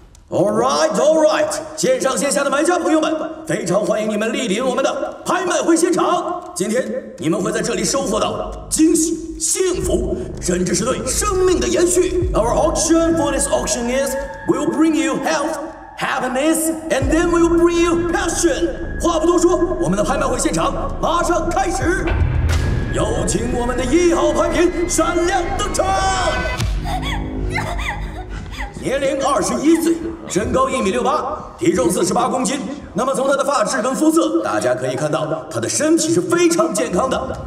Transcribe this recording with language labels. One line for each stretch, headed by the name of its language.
English: All right, all right，
Chinese: 线上线下的买家朋友们，非常欢迎你们莅临我们的拍卖会现场。今天你们会在这里收获到惊喜、幸福，甚至是对生命的延续。
English: Our auction for this auction is will bring you health, happiness, and then will bring you passion。
Chinese: 话不多说，我们的拍卖会现场马上开始，有请我们的一号拍品闪亮登场。年龄21岁，身高1.68米，体重48公斤。那么从他的发质跟肤色，大家可以看到他的身体是非常健康的。